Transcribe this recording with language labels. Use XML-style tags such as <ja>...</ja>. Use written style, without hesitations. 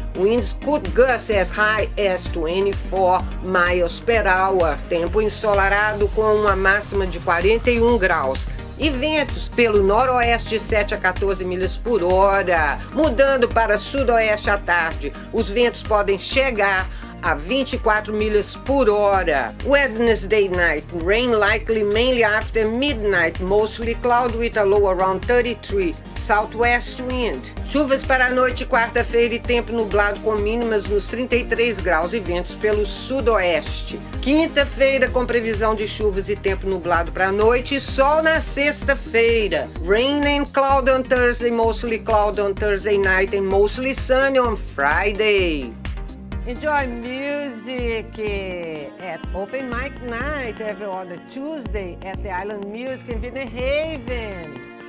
<en>Winds could gust as high as 24 miles per hour.</en> <pt>Tempo ensolarado com uma máxima de 41 graus. E ventos pelo noroeste 7 a 14 milhas por hora. Mudando para sudoeste à tarde, os ventos podem chegar a 24 milhas por hora.</pt> <en>Wednesday night, rain likely mainly after midnight, mostly cloud with a low around 33. southwest wind.</en> <pt>Chuvas para a noite quarta-feira e tempo nublado com mínimas nos 33 graus e ventos pelo sudoeste. Quinta-feira com previsão de chuvas e tempo nublado para a noite e sol na sexta-feira.</pt> <en>Rain and cloud on Thursday, mostly cloud on Thursday night and mostly sunny on Friday. Enjoy music at Open Mic Night every other Tuesday at the Island Music in Vinnie Haven.</en>